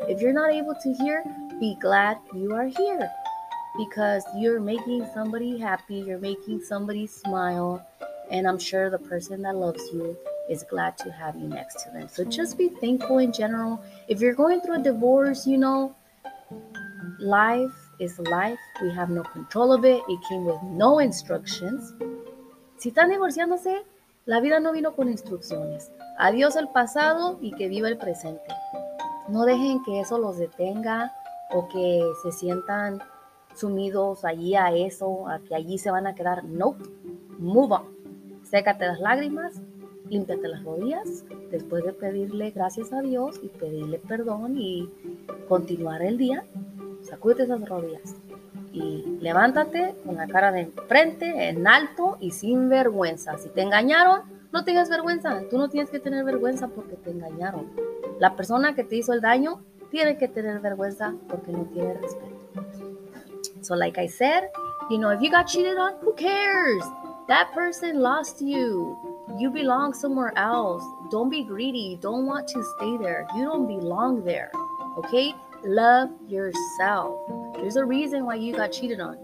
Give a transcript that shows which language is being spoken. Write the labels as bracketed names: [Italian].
[English] If you're not able to hear, be glad you are here, because you're making somebody happy. You're making somebody smile. And I'm sure the person that loves you is glad to have you next to them. So just be thankful in general. If you're going through a divorce, you know, life is life. We have no control of it. It came with no instructions. [Spanish] Si están divorciándose, la vida no vino con instrucciones. Adiós el pasado y que viva el presente. No dejen que eso los detenga o que se sientan sumidos allí a eso, a que allí se van a quedar. Nope. [English] Move on. [Spanish] Sécate las lágrimas. Límpiate las rodillas después de pedirle gracias a Dios y pedirle perdón y continuar el día. Sacúdete esas rodillas y levántate con la cara de enfrente, en alto y sin vergüenza. Si te engañaron, no tengas vergüenza. Tú no tienes que tener vergüenza porque te engañaron. La persona que te hizo el daño tiene que tener vergüenza porque no tiene respeto. [English] So like I said, you know, if you got cheated on, who cares? That person lost you. You belong somewhere else. Don't be greedy. You don't want to stay there. You don't belong there. Okay? Love yourself. There's a reason why you got cheated on.